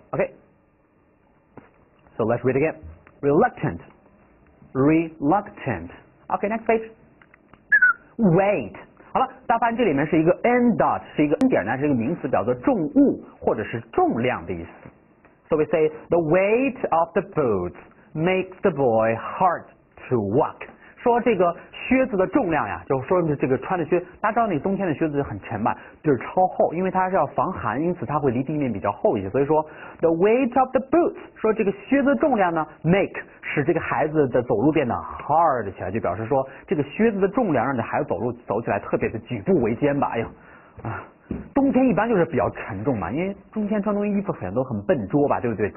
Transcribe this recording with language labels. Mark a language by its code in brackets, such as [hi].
[en] OK， so let's read again， reluctant， reluctant。 OK， next page， wait。 [zh] 好了，大家发现这里面是一个 n dot， 是一个 n 点呢，是一个名词，表示重物或者是重量的意思。 [en] So we say the weight of the boots makes the boy hard to walk。 [zh] 说这个靴子的重量呀，就说这个穿的靴，大家知道那冬天的靴子很沉嘛，就是超厚，因为它是要防寒，因此它会离地面比较厚一些。所以说 the weight of the boots，说这个靴子重量呢 make 使这个孩子的走路变得 hard 起来，就表示说这个靴子的重量让你孩子走路走起来特别的举步维艰吧。哎呦啊，冬天一般就是比较沉重嘛，因为冬天穿冬衣服很多很笨拙吧，对不对？